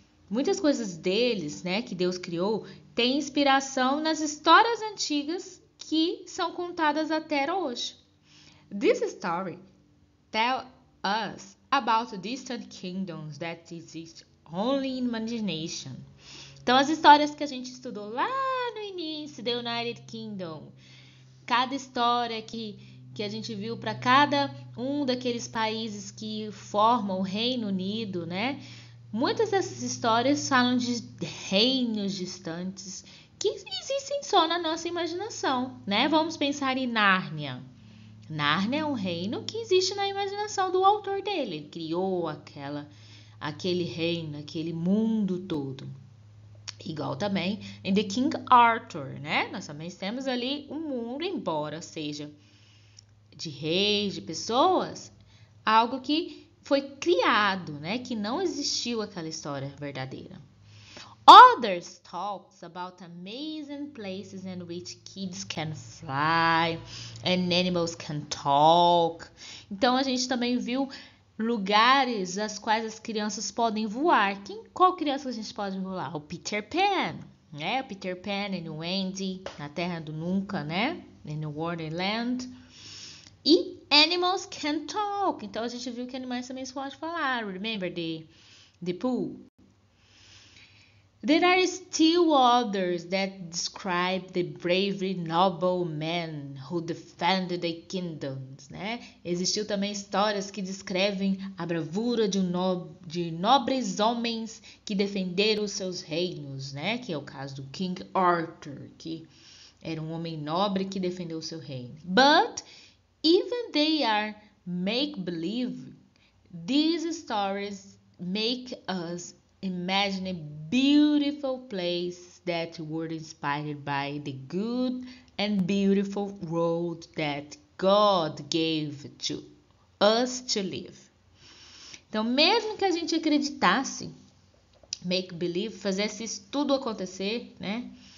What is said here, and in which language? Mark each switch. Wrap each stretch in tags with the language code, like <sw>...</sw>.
<pt>Muitas coisas deles, né, que Deus criou, têm inspiração nas histórias antigas que são contadas até hoje.</pt> <en>This story tells us about distant kingdoms that exist only in imagination.</en> <pt>Então, as histórias que a gente estudou lá no início do United Kingdom, cada história que a gente viu para cada um daqueles países que formam o Reino Unido, né? Muitas dessas histórias falam de reinos distantes que existem só na nossa imaginação, né? Vamos pensar em Nárnia. Nárnia é um reino que existe na imaginação do autor dele. Ele criou aquele reino, aquele mundo todo. Igual também em The King Arthur, né? Nós também temos ali um mundo, embora seja de reis, de pessoas, algo que foi criado, né? Que não existiu aquela história verdadeira.</pt> <en>Others talk about amazing places in which kids can fly and animals can talk.</en> <pt>Então, a gente também viu lugares nas quais as crianças podem voar. Qual criança a gente pode voar? O Peter Pan, né? O Peter Pan e o Wendy, na Terra do Nunca, né?</pt> <en>In Wonderland. E animals can talk.</en> <pt>Então, a gente viu que animais também podem falar.</pt> <en>Remember the Pooh? There are still others that describe the bravery noble men who defended the kingdoms, né?</en> <pt>Existiu também histórias que descrevem a bravura de nobres homens que defenderam os seus reinos, né? Que é o caso do King Arthur, que era um homem nobre que defendeu o seu reino.</pt> <en>But even they are make-believe, these stories make us imagine beautiful places that were inspired by the good and beautiful world that God gave to us to live.</en> <pt>Então, mesmo que a gente acreditasse, make believe, fizesse isso tudo acontecer, né?</pt>